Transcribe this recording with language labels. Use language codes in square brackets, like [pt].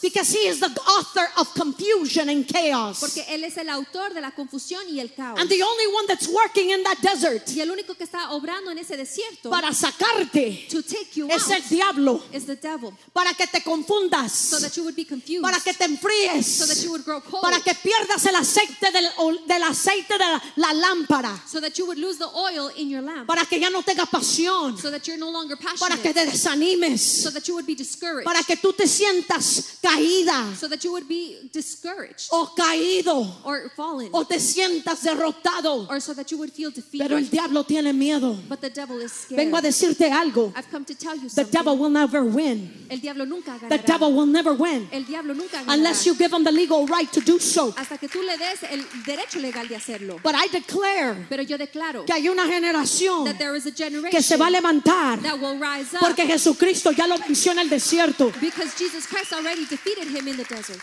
[en] Because he is the author of confusion and chaos. [es] Porque él es el autor de la confusión y el caos. [en] And the only one that's working in that desert. [es] Y el único que está obrando en ese desierto para sacarte [en] to take you [es] es [en] out [es] el diablo [en] is the devil. [es] Para que te confundas [en] so that you would be confused. [es] Para que te enfríes [en] so that you would grow cold. [es] Para que pierdas el aceite del aceite de la lámpara [en] so that you would lose the oil in your lamp. [es] Para que ya no tengas pasión [en] so that you're no longer passionate. [es] Para que te desanimes [en] so that you would be discouraged. [es] Para que tú te sientas caída [en] so that you would be discouraged. [es] O caído [en] or fallen. [es] O te sientas derrotado [en] or so that you would feel defeated. [es] Pero el diablo tiene miedo. [en] But the devil is scared. [es] Vengo a decirte algo. [en] I've come to tell you the devil will never win. [es] El diablo nunca ganará. [en] The devil will never win. [es] El diablo nunca ganará. [en] Unless you give him the legal right to do so. [es] Hasta que tú le des el derecho legal de hacerlo. [en] But I declare. [es] Pero yo declaro. Que hay una generación. [en] That there is a generation. [es] Que se va a levantar. [en] That will rise up. [es] Porque Jesucristo ya lo venció en el desierto. [en] Because Jesus Christ already defeated him in the desert.